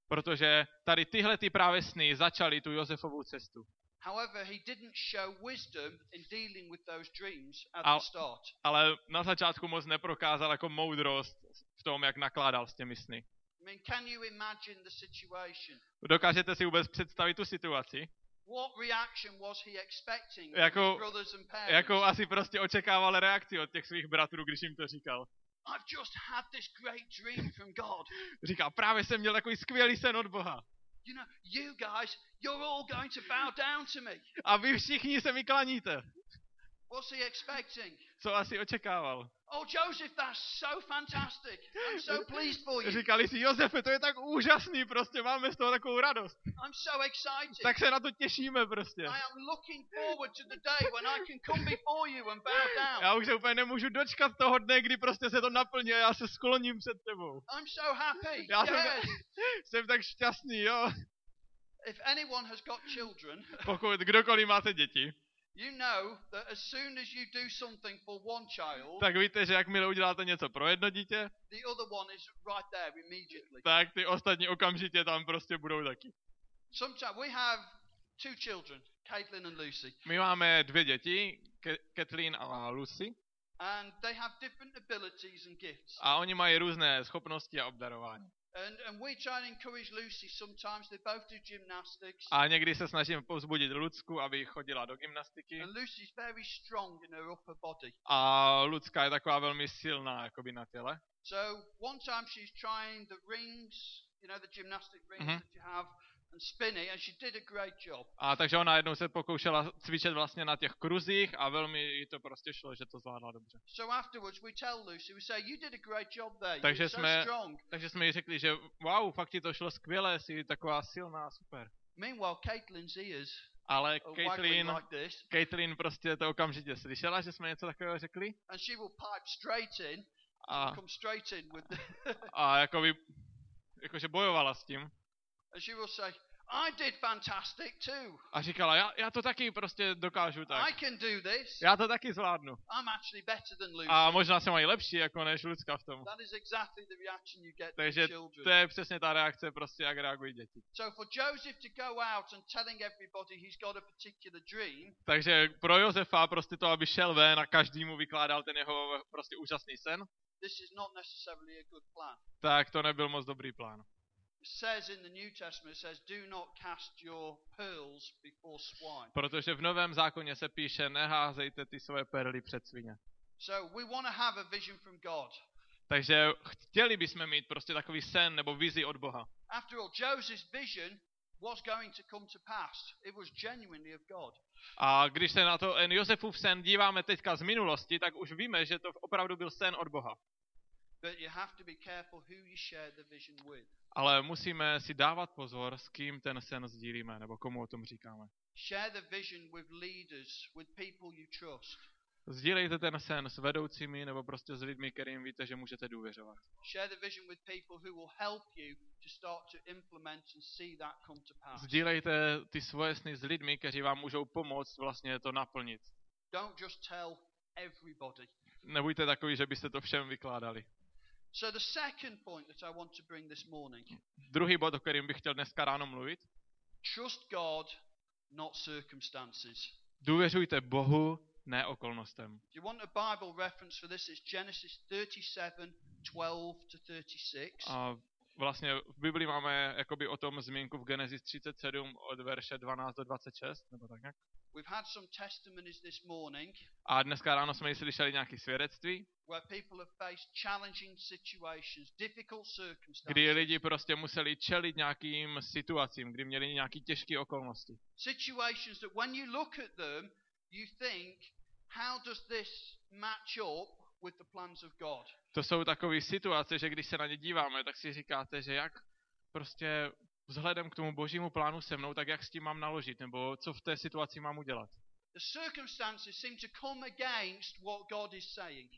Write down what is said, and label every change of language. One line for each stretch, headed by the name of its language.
Czech: Protože tady tyhle ty právě sny začaly tu Josefovu cestu.
English: However, he didn't show wisdom in dealing with those dreams at the start.
Czech: Ale na začátku moc neprokázal jako moudrost v tom, jak nakládal s těmi sny.
English: I mean, can you imagine the situation?
Czech: Dokážete si vůbec představit tu situaci?
English: What reaction was he expecting from his brothers and parents?
Czech: Jakou asi prostě očekával reakci od těch svých bratrů, když jim to říkal?
English: I've just had this great dream from God.
Czech: Říká, právě jsem měl takový skvělý sen od Boha.
English: You know, you guys, you're all going to bow down to me.
Czech: A vy všichni se mi klaníte.
English: What's he expecting?
Czech: Co asi očekával?
English: Oh, Joseph, that's so fantastic. I'm so pleased for you.
Czech: Říkali si, Josefe, to je tak úžasný, prostě máme z toho takovou radost.
English: I'm so excited.
Czech: Tak se na to těšíme prostě.
English: I am looking forward to the day when I can come before you and bow down.
Czech: Já už se úplně nemůžu dočkat toho dne, kdy prostě se to naplní a já se skloním před tebou.
English: I'm so happy.
Czech: Já
English: yes.
Czech: Jsem tak šťastný, jo.
English: If anyone has got children.
Czech: Pokud kdokoliv máte děti.
English: You know that as soon as you do something for one child,
Czech: tak víte, že jakmile uděláte něco pro jedno dítě,
English: the other one is right there immediately.
Czech: Tak ty ostatní okamžitě tam prostě budou taky.
English: Sometimes we have two children, Caitlin and Lucy.
Czech: My máme dvě děti, Caitlin a Lucy.
English: And they have different abilities and gifts.
Czech: A oni mají různé schopnosti a obdarování.
English: And we try and encourage Lucy sometimes, they both do gymnastics.
Czech: A někdy se snažím povzbudit Lucku, aby chodila do gymnastiky.
English: And Lucy's very strong in her upper body.
Czech: A Lucka je taková velmi silná jakoby na těle.
English: So one time she's trying the rings, you know, the gymnastic rings that you have, and spinning, and she did a great job.
Czech: A takže ona jednou se pokoušela cvičit vlastně na těch kruzích a velmi jí to prostě šlo, že to zvládla dobře.
English: So afterwards we tell Lucy, we say you did a great job there.
Czech: Takže jsme
English: so strong.
Czech: Takže jsme jí řekli, že wow, fakt ti to šlo skvěle, jsi taková silná, super.
English: Meanwhile Caitlin's ears.
Czech: Ale Caitlin prostě to okamžitě slyšela, že jsme něco takového řekli.
English: And she will pipe straight in. A come straight in with the
Czech: a jakoby jakože bojovala s tím.
English: And she will say, I did fantastic too.
Czech: A říkala, já to taky prostě dokážu tak.
English: I can do this.
Czech: Já to taky zvládnu.
English: I'm actually better than Lucy.
Czech: A možná jsem i lepší jako než Lucka v tom.
English: That is exactly the reaction you get.
Czech: Takže to je přesně ta reakce prostě, jak reagují děti.
English: So for Joseph to go out and telling everybody he's got a particular dream.
Czech: Takže pro Josefa prostě to, aby šel ven a každému vykládal ten jeho prostě úžasný sen.
English: This is not necessarily a good plan.
Czech: Tak to nebyl moc dobrý plán.
English: Says in the New Testament, it says, "Do not cast your pearls before swine."
Czech: Protože v Novém zákoně se píše, neházejte ty svoje perly před svině.
English: So we want to have a vision from God.
Czech: Takže chtěli bychom mít prostě takový sen nebo vizi od Boha.
English: After all, Joseph's vision was going to come to pass. It was genuinely of God.
Czech: A když se na to Josefův sen díváme teďka z minulosti, tak už víme, že to opravdu byl sen od Boha.
English: But you have to be careful who you share the vision with.
Czech: Ale musíme si dávat pozor, s kým ten sen sdílíme, nebo komu o tom říkáme.
English: Share the vision with leaders, with people you trust.
Czech: Sdílejte ten sen s vedoucími, nebo prostě s lidmi, kterým víte, že můžete důvěřovat.
English: Share the vision with people who will help you to start to implement and see that come to pass.
Czech: Sdílejte ty svoje sny s lidmi, kteří vám můžou pomoct vlastně to naplnit.
English: Don't just tell everybody.
Czech: Nebuďte takový, že byste to všem vykládali.
English: So the second point that I want to bring this morning.
Czech: Druhý bod, o kterém bych chtěl dneska ráno mluvit.
English: Trust God, not circumstances.
Czech: Důvěřujte Bohu, ne okolnostem.
English: If you want a Bible reference for this, it's Genesis 37:12-36.
Czech: A vlastně v Biblii máme jakoby o tom zmínku v Genesis 37 od verše 12 do 26, nebo tak nějak.
English: We've had some testimonies this morning.
Czech: A dneska ráno jsme slyšeli nějaké svědectví.
English: Where people have faced challenging situations, difficult circumstances.
Czech: Kdy lidi prostě museli čelit nějakým situacím, kdy měli nějaké těžké okolnosti.
English: Situations that when you look at them, you think, how does this match up with the plans of God?
Czech: To jsou takové situace, že když se na ně díváme, tak si říkáte, že jak prostě vzhledem k tomu božímu plánu se mnou, tak jak s tím mám naložit, nebo co v té situaci mám udělat.
English: The circumstances seem to come against what God is saying.